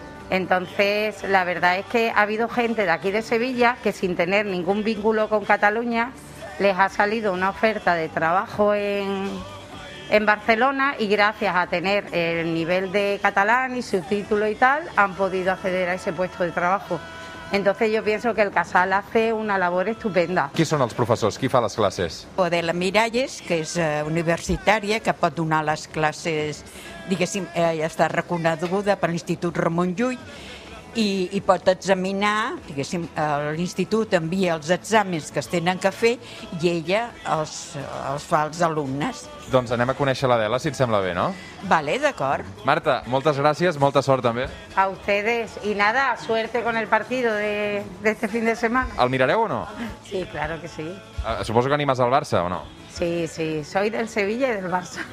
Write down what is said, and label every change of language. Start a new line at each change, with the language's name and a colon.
Spanish: Entonces, la verdad es que ha habido gente de aquí de Sevilla que sin tener ningún vínculo con Cataluña les ha salido una oferta de trabajo en Barcelona y gracias a tener el nivel de catalán y su título y tal, han podido acceder a ese puesto de trabajo. Entonces yo pienso que el Casal hace una labor estupenda.
Catalan: ¿Qui són els professors? Qui fa les classes? Adela Miralles, que és universitària, que pot donar les classes, diguéssim, ja està reconeguda per l'Institut Ramon Llull, i pot examinar, diguéssim, l'institut envia els exàmens que es tenen que fer i ella els fa als alumnes. Doncs anem a conèixer l'Adela, si et sembla bé, no? Vale, d'acord. Marta, moltes gràcies, molta sort també.
Spanish: A ustedes. Y nada, suerte con el partido de este fin de semana.
Catalan: El mirareu o no?
Spanish: Sí, claro que sí.
Catalan: Suposo que animes al Barça o no?
Spanish: Sí, sí, soy del Sevilla y del Barça.